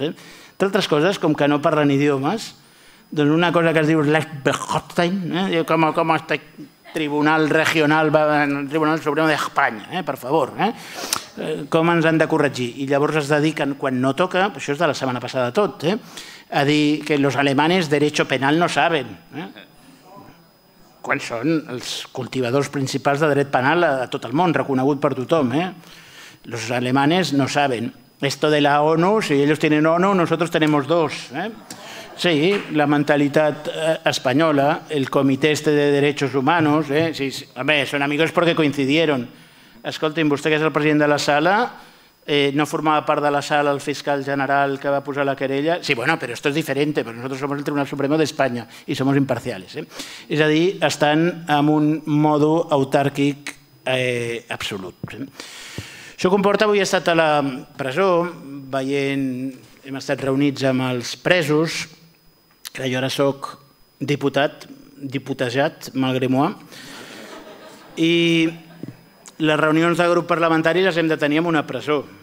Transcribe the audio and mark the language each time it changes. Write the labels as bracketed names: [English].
[Catalan] Entre altres coses, com que no parlen idiomes, doncs una cosa que es diu l'Esbehotstein, com està Tribunal Regional, Tribunal Suprem d'Espanya, per favor, com ens han de corregir? I llavors es dediquen, quan no toca, això és de la setmana passada tot, a dir que [Spanish] los alemanes derecho penal no saben. [Catalan] Quan són els cultivadors principals de dret penal a tot el món, reconegut per tothom. [Spanish] Los alemanes no saben. Esto de la ONU, si ellos tienen ONU, nosotros tenemos dos. [Catalan] Sí, la mentalitat espanyola, el comitè [Spanish] este de derechos humanos, [Catalan] sí, sí. A més, són amics perquè coincidieron. Escolti, vostè que és el president de la sala, no formava part de la sala el fiscal general que va posar la querella? [Spanish] Sí, bueno, però esto es diferente, pero nosotros somos el Tribunal Supremo de España y somos imparciales. [Catalan] És a dir, estan en un modo autàrquic absolut. Això comporta, avui he estat a la presó, veient, hem estat reunits amb els presos, que jo ara sóc diputat, diputejat, [French] malgré moi, [Catalan] i les reunions de grup parlamentari les hem de tenir en una presó.